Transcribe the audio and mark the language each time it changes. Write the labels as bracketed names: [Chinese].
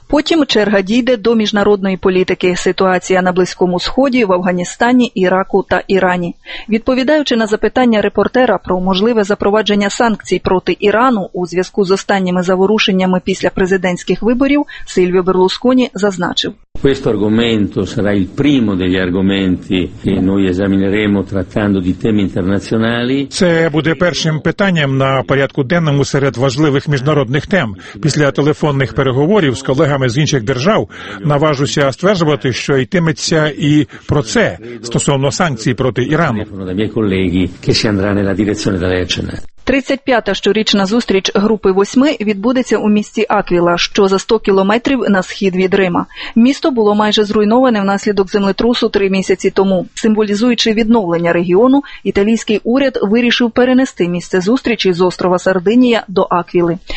[Ukrainian] Потім черга дійде до міжнародної політики, ситуація на Близькому Сході, в Афганістані, Іраку та Ірані. Відповідаючи на запитання репортера про можливе запровадження санкцій проти Ірану у зв'язку з останнім заворушеннями після президентських виборів, Сильвіо Берлусконі зазначив. [Italian] Questo argomento sarà il primo degli argomenti che noi esamineremo trattando di temi internazionali. [Ukrainian] Це буде першим питанням на порядку денному серед важливих міжнародних тем. Після телефонних переговорів з колегами з інших держав наважуся стверджувати, що йтиметься і про це стосовно санкцій проти Ірану. [Italian] Da miei colleghi che si andrà nella direzione da lei accennata. [Ukrainian] 35-та щорічна зустріч групи 8 відбудеться у місті Аквіла, що за 100 кілометрів на схід від Рима. Місто було майже зруйноване внаслідок землетрусу 3 місяці тому. Символізуючи відновлення регіону, італійський уряд вирішив перенести місце зустрічі з острова Сардинія до Аквіли.